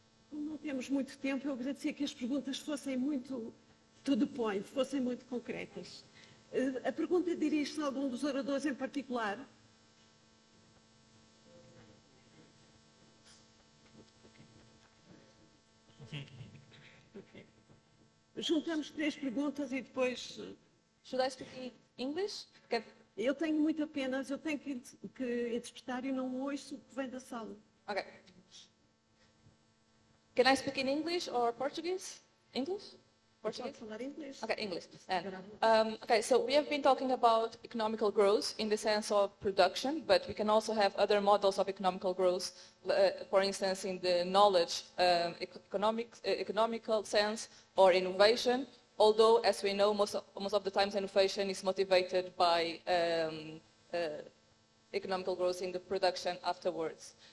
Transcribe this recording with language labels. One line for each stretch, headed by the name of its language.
Portuguese: Como não temos muito tempo, eu agradecia que as perguntas fossem muito
English: to the point,
Portuguese: fossem muito concretas. A pergunta dirige-se a algum dos oradores em particular? Juntamos 3 perguntas e depois...
English: Should I speak in English?
Portuguese: Eu tenho muita pena, mas eu tenho que interpretar e não ouço o que vem da sala.
English: Ok. Can I speak in English or Portuguese? English? Portuguese?
Portuguese: Falar inglês.
English: Ok, English. Okay, so we have been talking about economical growth in the sense of production, but we can also have other models of economical growth, for instance, in the knowledge economical sense, or innovation, although, as we know, most of the times innovation is motivated by economical growth in the production afterwards.